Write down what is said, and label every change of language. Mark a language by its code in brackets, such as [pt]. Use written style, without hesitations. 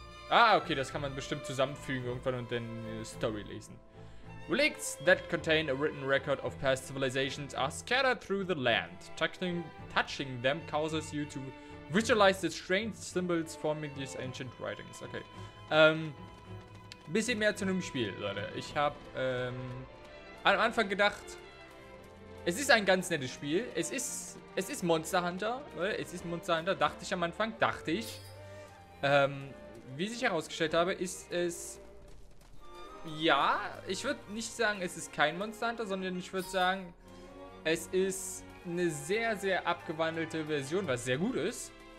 [de] Ah, okay, das kann man bestimmt zusammenfügen irgendwann und dann Story lesen. [en] Relics that contain a written record of past civilizations are scattered through the land. Touching them causes you to visualize the strange symbols forming these ancient writings. [de] Okay. Bisschen mehr zu einem Spiel, Leute. Ich habe am Anfang gedacht, es ist ein ganz nettes Spiel. Es ist Monster Hunter. Es ist Monster Hunter, dachte ich am Anfang. Dachte ich. Wie ich herausgestellt habe, ist es, ja, ich würde nicht sagen, es ist kein Monster Hunter, sondern ich würde sagen, es ist eine sehr, sehr abgewandelte Version, was sehr gut ist.